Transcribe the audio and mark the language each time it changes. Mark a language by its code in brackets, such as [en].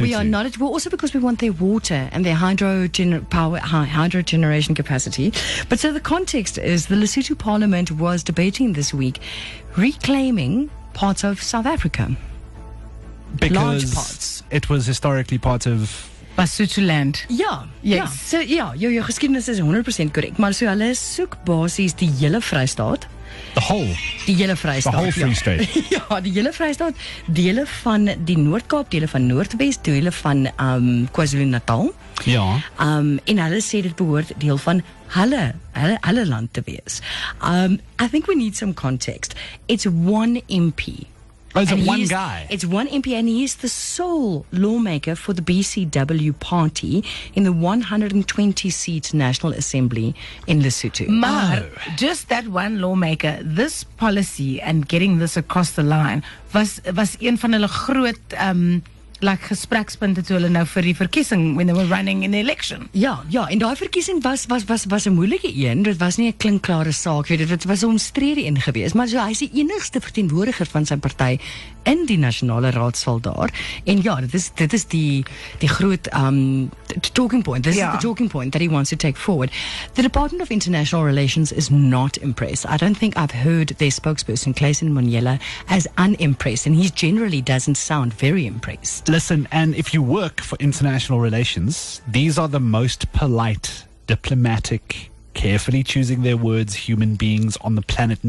[en] We are not at war, also because we want their water and their hydro generation capacity. But so the context is, the Lesotho Parliament was debating this week reclaiming parts of South Africa. Because it was historically part of Basutoland. [af] Your geschiedenis is 100% correct. Maar so hulle soek basies die hele Vrystaat. Die hele Vrystaat, dele van die Noord-Kaap, dele van Noordwes, dele van KwaZulu-Natal. Ja. En hulle sê dit behoort deel van hulle land te wees. [en] I think we need some context. It's one MP. It's one MP, and he is the sole lawmaker for the BCW party in the 120-seat National Assembly in Lesotho. But just that one lawmaker, this policy and getting this across the line was [af] een van hulle groot like gesprekspunte toe hulle nou vir die verkiesing [en] when they were running in the election. [af] Ja, en daai verkiesing was 'n moeilike een. Dit was nie 'n klinkklare saak, weet jy, dit was 'n omstrede een gewees, maar so hy is die enigste verteenwoordiger van sy party in die nasionale raadsaal daar. En ja, dit is die groot talking point. [en] This is the talking point that he wants to take forward. The Department of International Relations is not impressed. I don't think I've heard their spokesperson Clayson Monyela as unimpressed, and he generally doesn't sound very impressed. Listen, and if you work for international relations, these are the most polite, diplomatic, carefully choosing their words human beings on the planet.